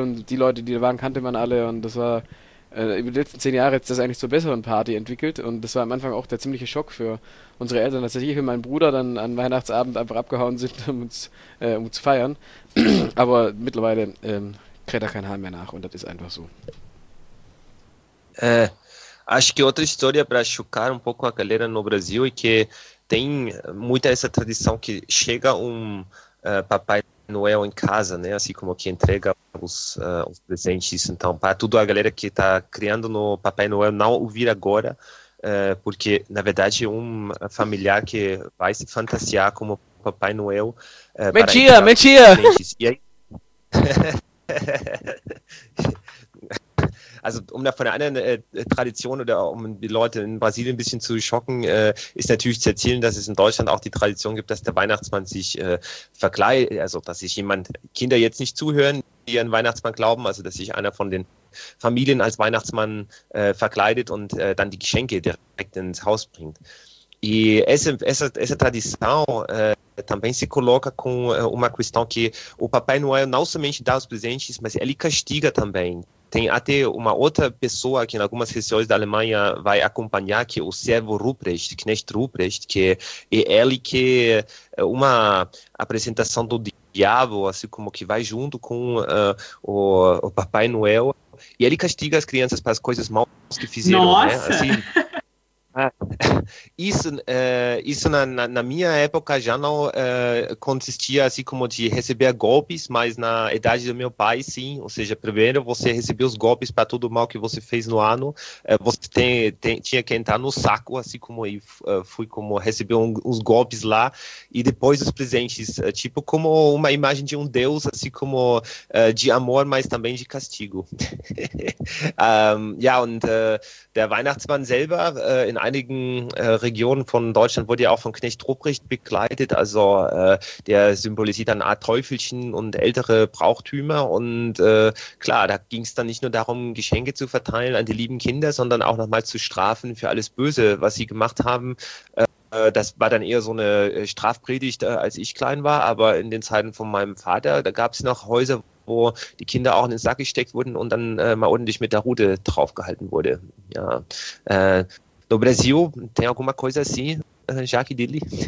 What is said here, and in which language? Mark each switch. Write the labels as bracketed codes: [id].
[de] Und die Leute, die da waren, kannte man alle. Und das war über die letzten 10 Jahre jetzt das eigentlich zur besseren Party entwickelt. Und das war am Anfang auch der ziemliche Schock für unsere Eltern, dass ich und mein Bruder dann an Weihnachtsabend einfach abgehauen sind, um zu feiern. Aber mittlerweile kräht da kein Hahn mehr nach und das ist einfach so. [pt] É, acho que outra história para chocar um pouco a galera no Brasil é que tem muita essa tradição que chega um Papai Noel em casa, né? Assim como que entrega os presentes. Então, para toda a galera que está criando no Papai Noel, não ouvir agora, porque na verdade um familiar que vai se fantasiar como Papai Noel. Mentira, mentira! E aí. [de] Also um da von der anderen Tradition oder um die Leute in Brasilien ein bisschen zu schocken, ist natürlich zu erzählen, dass es in Deutschland auch die Tradition gibt, dass der Weihnachtsmann sich verkleidet, also dass sich jemand, Kinder jetzt nicht zuhören, die an Weihnachtsmann glauben, also dass sich einer von den Familien als Weihnachtsmann verkleidet und dann die Geschenke direkt ins Haus bringt. [pt] E essa tradição também se coloca com uma questão que o Papai Noel não somente dá os presentes, mas ele castiga também. Tem até uma outra pessoa que em algumas regiões da Alemanha vai acompanhar, que é o Servo Ruprecht, Knecht Ruprecht, que é ele que é uma apresentação do diabo, assim como que vai junto com o Papai Noel, e ele castiga as crianças para as coisas maus que fizeram. Nossa! Né? Assim, isso na minha época já não consistia assim como de receber golpes, mas na idade do meu pai, sim. Ou seja, primeiro você recebeu os golpes para tudo o mal que você fez no ano. Você tinha que entrar no saco, assim como eu fui como receber uns golpes lá. E depois os presentes, tipo como uma imagem de um deus, assim como de amor, mas também de castigo. [de] Ja, und der Weihnachtsmann selber, in einigen Regionen von Deutschland wurde ja auch von Knecht Ruprecht begleitet. Also der symbolisiert dann eine Art Teufelchen und ältere Brauchtümer. Und klar, da ging es dann nicht nur darum, Geschenke zu verteilen an die lieben Kinder, sondern auch nochmal zu strafen für alles Böse, was sie gemacht haben. Das war dann eher so eine Strafpredigt, als ich klein war. Aber in den Zeiten von meinem Vater, da gab es noch Häuser, wo die Kinder auch in den Sack gesteckt wurden und dann mal ordentlich mit der Rute draufgehalten wurde. Ja. [pt] No Brasil, tem alguma coisa assim, Jaque Dili?